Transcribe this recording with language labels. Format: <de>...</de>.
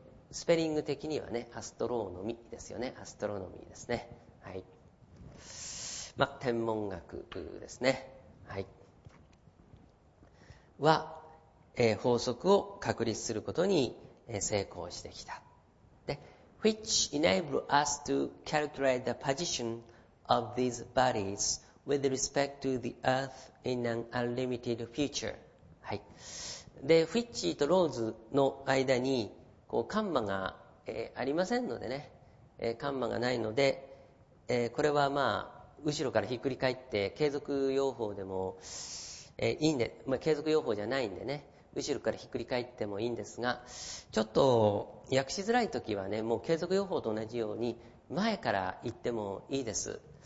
<ja>スペリング的にはね、アストロノミーですよね。アストロノミーですね。はい。まあ、天文学ですね。はい。は、法則を確立することに成功してきた。</ja> <en>で、which enable us to calculate the position of these bodies. With respect to the earth in an unlimited future.</en> <ja>はい。で、フィッチーとローズの間に、こう、カンマが、ありませんのでね、カンマがないので、これはまあ、後ろからひっくり返って、継続用法でも、いいんで、まあ、継続用法じゃないんでね、後ろからひっくり返ってもいいんですが、ちょっと、訳しづらいときはね、もう継続用法と同じように、前から言ってもいいです。</ja>